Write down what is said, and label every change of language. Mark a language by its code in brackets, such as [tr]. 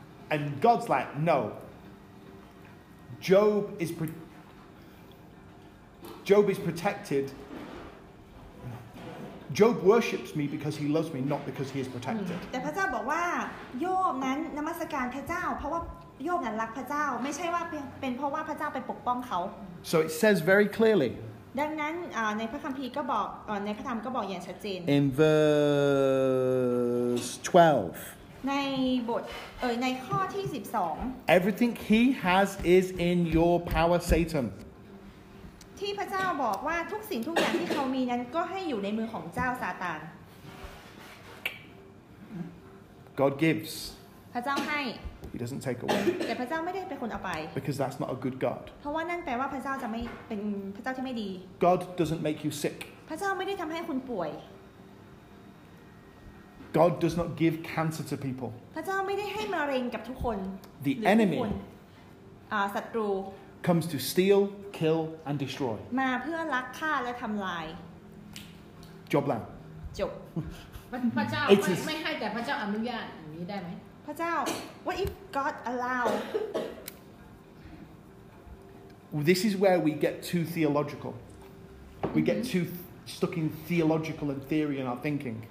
[en] And God's like, no. Job is protected. Job worships me because he loves me, not because he is protected. But God said, Job is worshiping God because he loves him, not because he is protected. So it says very clearly. [th] ดังนั้นในพระคัมภีร์ก็บอกในพระธรรมก็บอกอย่างชัดเจน [en] In verse 12. [th] ในบทในข้อที่12. [en] Everything he has is in your power, Satan. [th] ที่พระเจ้าบอกว่าทุกสิ่งทุกอย่างที่เขามีนั้นก็ให้อยู่ในมือของเจ้าซาตาน [en] God gives. [th] พระเจ้าให้ [en] He doesn't take away. [th] แต่พระเจ้าไม่ได้เป็นคนเอาไป [en] Because that's not a good God. [th] เพราะว่านั่นแปลว่าพระเจ้าจะไม่เป็นพระเจ้าที่ไม่ดี [en] God doesn't make you sick. [th] พระเจ้าไม่ได้ทำให้คุณป่วย [en] God does not give cancer to people. [th] พระเจ้าไม่ได้ให้มะเร็งกับทุกคน [en] The enemy. [th] ศัตรู [en] comes to steal, kill, and destroy. [th] มาเพื่อลักฆ่าและทำลาย จบแล้ว จบ พระเจ้าไม่ให้แต่พระเจ้าอนุญาตอย่างนี้ได้ไหม พระเจ้า [en] what if God allow this is where we get too theological we get too stuck in theological and theory in our thinking